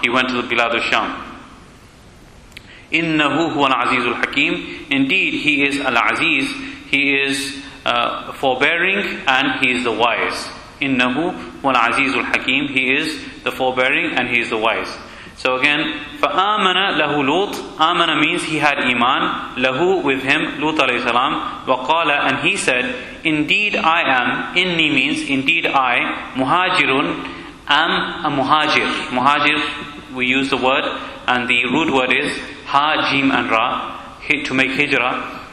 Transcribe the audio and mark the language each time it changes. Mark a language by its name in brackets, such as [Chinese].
[English] He went to the Bilad of Sham. Innahu huwa al-Aziz al-Hakim. Indeed, he is al-Aziz. He is forbearing and he is the wise. Innahu huwa al-Aziz al-Hakim. He is the forbearing and he is the wise. [Arabic] So again, فَآمَنَ لَهُ لُوطٌ. [English] آمَنَ means he had iman. لَهُ, with him, Lut alayhi salam. وَقَالَ, and he said, indeed I am. إِنِّي means indeed I. مُهَاجِرٌ, am a muhajir. Muhajir, we use the word, and the root word is ha, jim, and ra, to make hijrah.